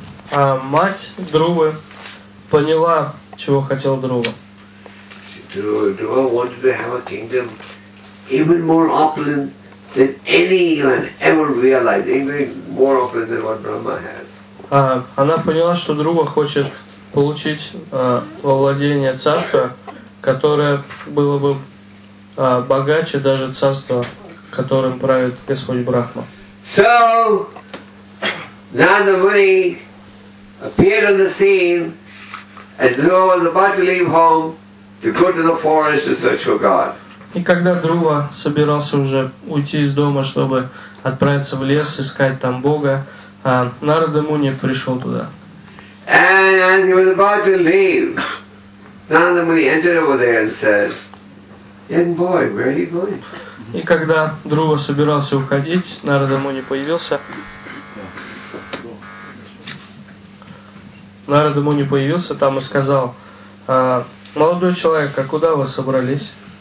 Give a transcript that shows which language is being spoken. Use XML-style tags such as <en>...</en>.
<ru>А мать Друвы поняла, чего хотел Друва.</ru> <en>Друва wanted to have a kingdom even more opulent than anyone ever realized, even more opulent than what Brahma has.</en> <ru>Она поняла, что Друва хочет получить во владение царство, которое было бы богаче даже царства, которым правит Господь Брахма.</ru> <en>So Narada Muni appeared on the scene as Dhruva was about to leave home to go to the forest to search for God.</en> <ru>И когда Друва собирался уже уйти из дома, чтобы отправиться в лес искать там Бога, Нарада Муни пришел туда.</ru> <en>And as he was about to leave, Narada Muni entered over there and said, "Young boy, where are you going?"</en> <ru>И когда Друва собирался уходить, Нарада Муни появился. Нарада Муни появился там и сказал, молодой человек, а куда вы собрались?</ru>